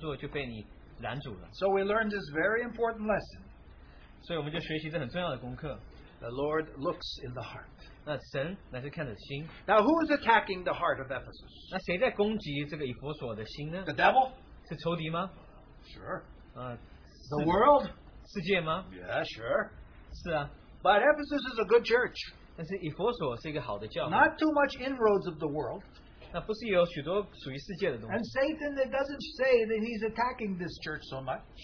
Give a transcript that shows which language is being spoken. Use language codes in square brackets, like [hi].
[zh] 那这个新妇的这个准备的这个工作就被你拦阻了。 [en] So we learned this very important lesson. [zh] 所以我们就学习这很重要的功课。 [en] The Lord looks in the heart. [zh] 那神乃是看着心。 [en] Now who is attacking the heart of Ephesus? [zh] 那谁在攻击这个以弗所的心呢？ [en] The devil? [zh] 是仇敌吗? [en] Sure. The world? [zh] 世界吗? [en] Yeah, sure. [zh] 是啊。 [en] But Ephesus is a good church. [zh] 但是以弗所是一个好的教会。 [en] Not too much inroads of the world. And Satan doesn't say that he's attacking this church so much.